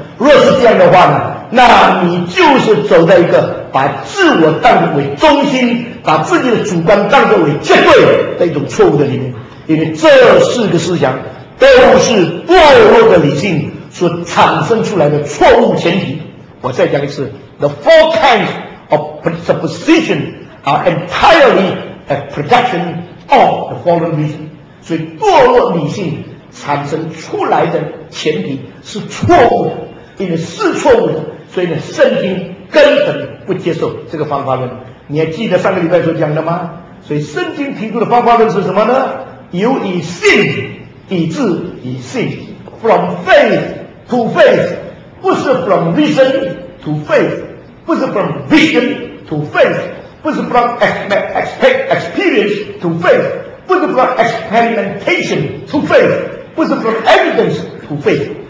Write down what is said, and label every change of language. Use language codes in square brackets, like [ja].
[zh] 若是这样的话呢，那你就是走在一个把自我当作为中心，把自己的主观当作为绝对的一种错误的里面。因为这四个思想都是堕落的理性所产生出来的错误前提。我再讲一次， [en] The four kinds of presupposition are entirely a production of the fallen reason。 [zh] 所以堕落理性产生出来的前提是错误的，因为是错误的，所以呢，圣经根本不接受这个方法论。你还记得上个礼拜所讲的吗？所以圣经提出的方法论是什么呢？由以信以智以信， [en] from faith to faith， [zh] 不是 [en] from vision to faith， 不是 from vision to faith， 不是 from experience to faith， 不是 from experimentation to faith， 不是 from evidence to faith。